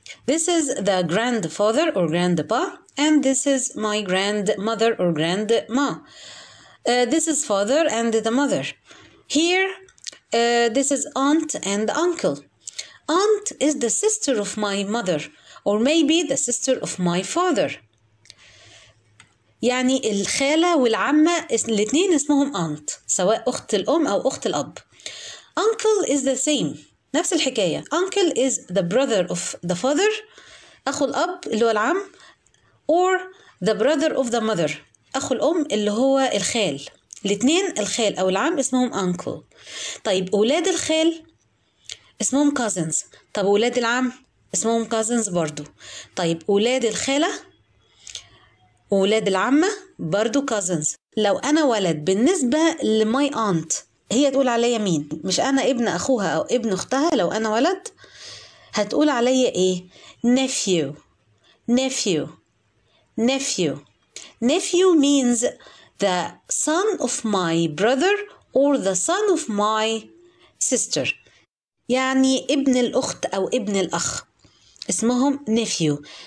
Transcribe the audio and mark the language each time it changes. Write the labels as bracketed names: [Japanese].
[English] This is the grandfather or grandpa, and this is my grandmother or grandma. This is father and the mother. Here, this is aunt and uncle. Aunt is the sister of my mother, or maybe the sister of my father. [Arabic] يعني الخالة والعمة الاثنين اسمهم aunt, سواء أخت الأم أو أخت الأب. [English] Uncle is the same, [Arabic] نفس الحكاية. [English] Uncle is the brother of the father, [Arabic] أخو الأب اللي هو العم, [English] or the brother of the mother, [Arabic] أخو الأم اللي هو الخال. الاثنين الخال أو العم اسمهم uncle. طيب أولاد الخال اسمهم cousins. طب أولاد العم اسمهم cousins برضو. طيب أولاد الخالة وأولاد العمة برضو cousins. لو أنا ولد بالنسبة لماي aunt هي تقول عليا مين؟ مش أنا ابن أخوها أو ابن أختها. لو أنا ولد هتقول عليا إيه؟ [English] nephew nephew nephew. Nephew means the son of my brother or the son of my sister. [Arabic] يعني ابن الأخت أو ابن الأخ اسمهم nephew.